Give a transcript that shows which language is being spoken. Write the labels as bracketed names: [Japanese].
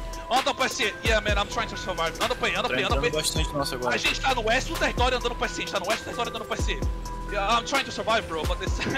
[Portuguese] Anda pro SE, [English] yeah man, I'm trying to survive. [Portuguese] Anda pro E, anda pro E, anda pro E. A gente tá no oeste do território andando pro SE, a gente tá no oeste do território andando pro SE. [English] Yeah, I'm trying to survive, bro, but this.